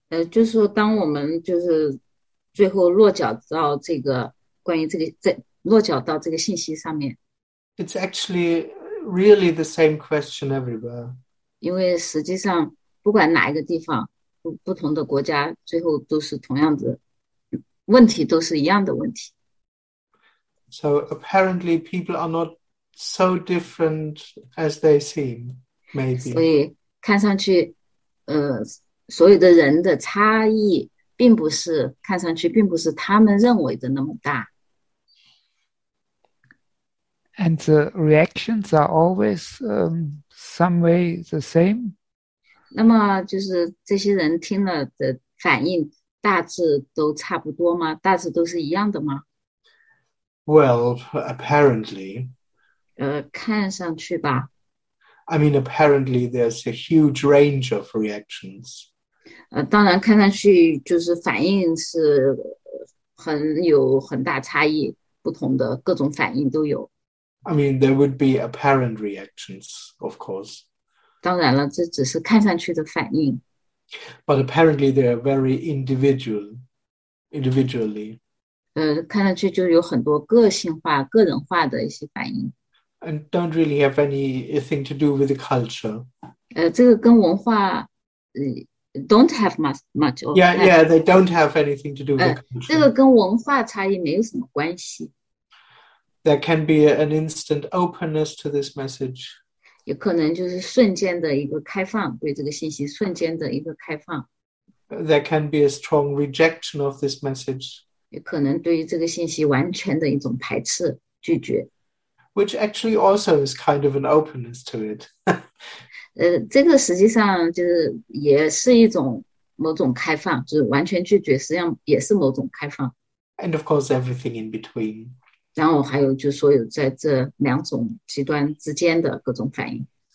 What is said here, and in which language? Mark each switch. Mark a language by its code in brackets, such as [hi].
[zh] 就是说当我们就是最后落脚到这个关于这个在落脚到这个信息上面。 [en] It's actually really the same question everywhere. [zh] 因为实际上不管哪一个地方。不同的国家最后都是同样的问题，都是一样的问题。 [en] So apparently people are not so different as they seem, maybe. [zh] 所以看上去所有的人的差异并不是看上去并不是他们认为的那么大。 [en] And the reactions are always some way the same. [zh] 那么就是这些人听了的反应大致都差不多吗？大致都是一样的吗？ [en] Well, apparently. [zh] 看上去吧。 [en] I mean, apparently there's a huge range of reactions. [zh] 当然看上去就是反应是很有很大差异，不同的各种反应都有。 [en] I mean, there would be apparent reactions, of course. [zh] 当然了，这只是看上去的反应。 [en] But apparently they are very individually. [zh] 看上去就有很多个性化、个人化的一些反应。 [en] And don't really have anything to do with the culture. [zh] 这个跟文化 [en] don't have much. Yeah, they don't have anything to do with culture. [zh] 这个跟文化差异没有什么关系。 [en] There can be an instant openness to this message. [zh] 也可能就是瞬间的一个开放，对这个信息瞬间的一个开放。 [en] There can be a strong rejection of this message. [zh] 也可能对于这个信息完全的一种排斥、拒绝。 [en] Which actually also is kind of an openness to it. [zh] 这个实际上就是也是一种某种开放，就是完全拒绝，实际上也是某种开放。 [en] And of course everything in between. [zh] 然后还有就所有在这两种极端之间的各种反应